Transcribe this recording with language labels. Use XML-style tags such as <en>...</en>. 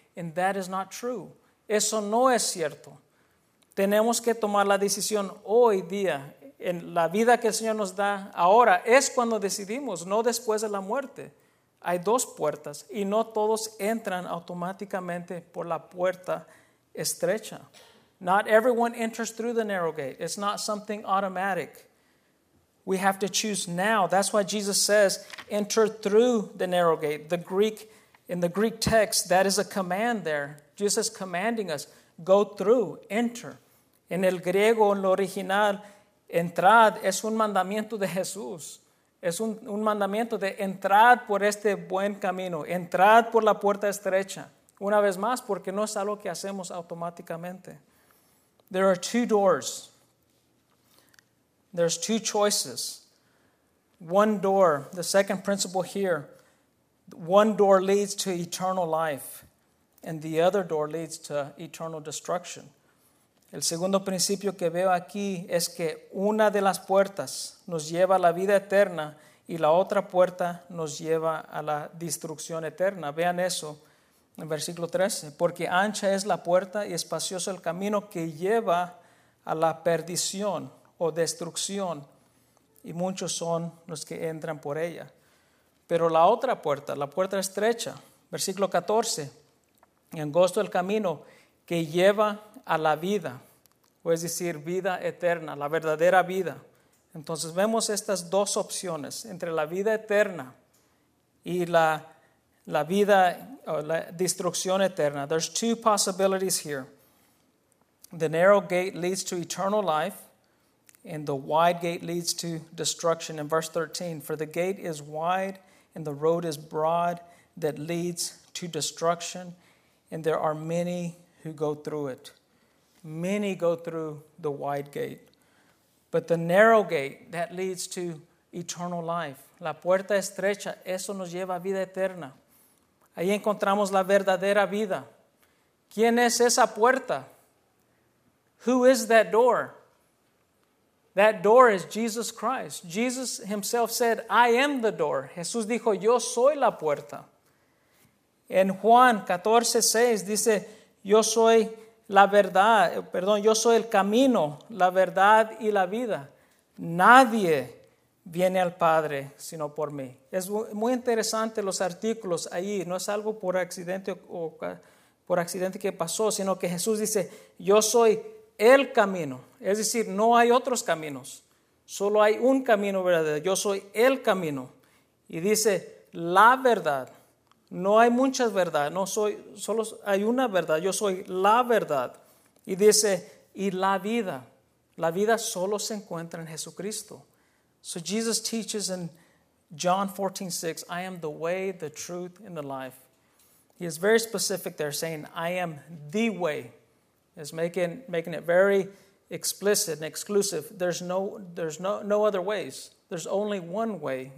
<en>And that is not true.</en> <es>Eso no es cierto. Tenemos que tomar la decisión hoy día. En la vida que el Señor nos da ahora es cuando decidimos, no después de la muerte. Hay dos puertas y no todos entran automáticamente por la puerta estrecha.</es> <en>Not everyone enters through the narrow gate. It's not something automatic. We have to choose now. That's why Jesus says, enter through the narrow gate. In the Greek text, that is a command there. Jesus commanding us, go through, enter.</en> <es>En el griego, en lo original, entrad es un mandamiento de Jesús. Es un mandamiento de entrad por este buen camino. Entrad por la puerta estrecha. Una vez más, porque no es algo que hacemos automáticamente.</es> <en>There are two doors. There's two choices. One door, the second principle here. One door leads to eternal life, and the other door leads to eternal destruction.</en> <es>El segundo principio que veo aquí es que una de las puertas nos lleva a la vida eterna y la otra puerta nos lleva a la destrucción eterna. Vean eso en versículo 13. Porque ancha es la puerta y espacioso el camino que lleva a la perdición o destrucción, y muchos son los que entran por ella. Pero la otra puerta, la puerta estrecha, versículo 14, angosto el camino que lleva a la vida, o es decir, vida eterna, la verdadera vida. Entonces vemos estas dos opciones entre la vida eterna y la vida o la destrucción eterna.</es> <en>There's two possibilities here. The narrow gate leads to eternal life, and the wide gate leads to destruction. In verse 13, for the gate is wide and the road is broad that leads to destruction, and there are many who go through it. Many go through the wide gate. But the narrow gate, that leads to eternal life.</en> <es>La puerta estrecha, eso nos lleva a vida eterna. Ahí encontramos la verdadera vida. ¿Quién es esa puerta?</es> <en>Who is that door? That door is Jesus Christ. Jesus himself said, I am the door.</en> <es>Jesús dijo, yo soy la puerta. En Juan 14:6 dice, yo soy la verdad, perdón, yo soy el camino, la verdad y la vida. Nadie viene al Padre sino por mí. Es muy interesante los artículos ahí. No es algo por accidente o por accidente que pasó, sino que Jesús dice, yo soy el camino. Es decir, no hay otros caminos. Solo hay un camino verdadero. Yo soy el camino. Y dice, la verdad. No hay muchas verdades, no soy, solo hay una verdad, yo soy la verdad. Y dice, y la vida solo se encuentra en Jesucristo.</es> <en>So Jesus teaches in John 14:6, I am the way, the truth, and the life. He is very specific there, saying, I am the way. He's making it very explicit and exclusive. There's no other ways. There's only one way.</en>